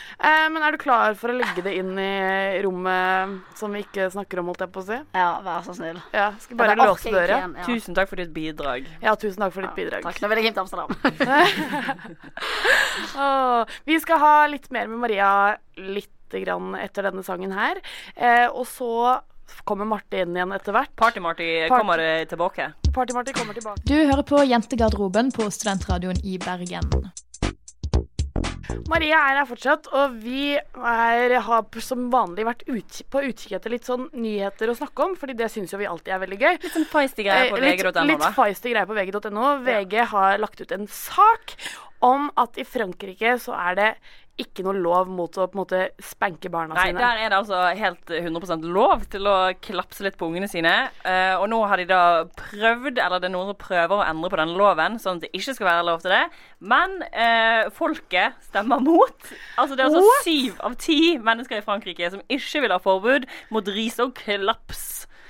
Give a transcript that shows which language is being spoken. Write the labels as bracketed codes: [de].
[no] Men du klar for å legge det inn I rommet som vi ikke snakker om, holdt jeg på å si? Ja, vær så snill. Ja, skal bare låse okay, døra. Ja. Tusen takk for ditt bidrag. Ja, tusen takk for ditt bidrag. Takk, nå vil jeg hjem til Amsterdam. [sv] vi skal ha litt mer med Maria lite grann efter denna sången här och så kommer Martin in igen efter vart. Party Martin kommer tillbaka. Party Martin kommer tillbaka. Du hör på Jentegarderoben på Studentradion I Bergen. Maria här fortsatt och vi har som vanligt varit på utkik efter lite sån nyheter och snacka om för det syns ju vi alltid är väldigt gøy. Lite feisty grejer på VG.no. VG har lagt ut en sak om att I Frankrike så är det [no] ikke noe lov mot å på en måte spenke barna Nei, sine. Nei, der det altså helt 100% lov til å klapse litt på ungene sine. Og nå har de da prøvd, eller det noen som prøver å endre på den loven, sånn at det ikke skal være lov til det. Men folket stemmer mot. Altså det altså 7 av 10 mennesker I Frankrike som ikke vil ha forbud mot ris og klaps.